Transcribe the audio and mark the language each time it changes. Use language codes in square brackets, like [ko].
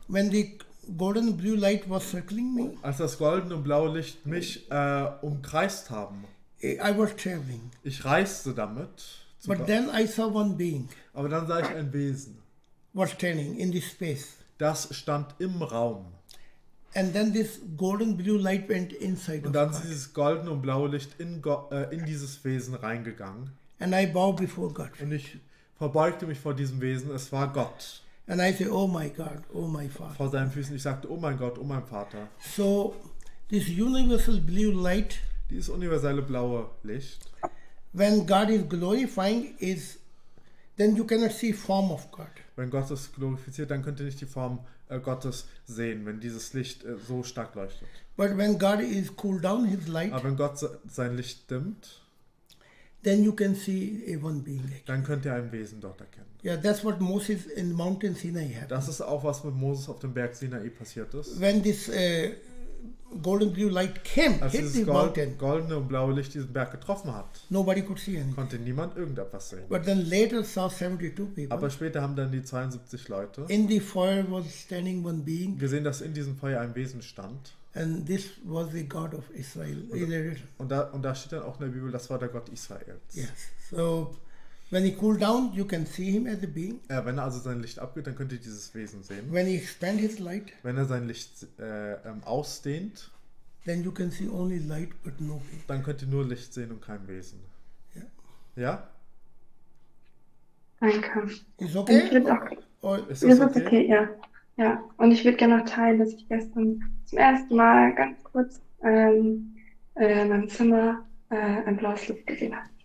[en] When the golden blue light was circling me. [de] Als das goldene und blaue Licht mich umkreist haben. [en] I was traveling. [de] Ich reiste damit. [en] But then I saw one being. [de] Aber dann sah ich ein Wesen. [en] Was standing in the space. [de] Das stand im Raum. [en] And then this golden blue light went inside. [de] Und dann ist dieses goldene und blaue Licht in dieses Wesen reingegangen. [en] And I bow before God. [de] Und ich verbeugte mich vor diesem Wesen. Es war Gott. [en] And I say, oh my God, oh my Father. [de] Vor seinen Füßen. Ich sagte, oh mein Gott, oh mein Vater. [en] So, this universal blue light. [de] Dieses universelle blaue Licht. [en] When God is glorifying, is then you cannot see form of God. [de] Wenn Gott ist glorifiziert, dann könnt ihr nicht die Form Gottes sehen, wenn dieses Licht so stark leuchtet. [en] But when God is cooled down his light, [de] aber wenn Gott sein Licht dimmt, [en] then you can see a one being. [de] Dann könnt ihr ein Wesen dort erkennen. [en] Yeah, that's what Moses in Mount Sinai happened. [de] Das ist auch was mit Moses auf dem Berg Sinai passiert ist. [en] When this golden blue light came, [de] als [en] hit the mountain. [de] Goldene und blaue Licht diesen Berg getroffen hat. [en] Nobody could see anything. [de] Konnte niemand irgendetwas sehen. [en] But then later saw 72 people. [de] Aber später haben dann die 72 Leute. [en] In the fire was standing one being. [de] Gesehen, dass in diesem Feuer ein Wesen stand. [en] And this was the God of Israel. [de] Und da steht dann auch in der Bibel, das war der Gott Israels. [en] Yes. So, when he cooled down, you can see him as a being. [de] Ja, wenn er also sein Licht abgeht, dann könnt ihr dieses Wesen sehen. [en] When he expand his light. [de] Wenn er sein Licht ausdehnt. [en] Then you can see only light, but no being. [de] Dann könnt ihr nur Licht sehen und kein Wesen. [en] Yeah. [de] Ja. Danke. Ist okay? Ist okay, ja. Ja, und ich würde gerne noch teilen, dass ich gestern zum ersten Mal ganz kurz in meinem Zimmer ein blaues Licht gesehen habe.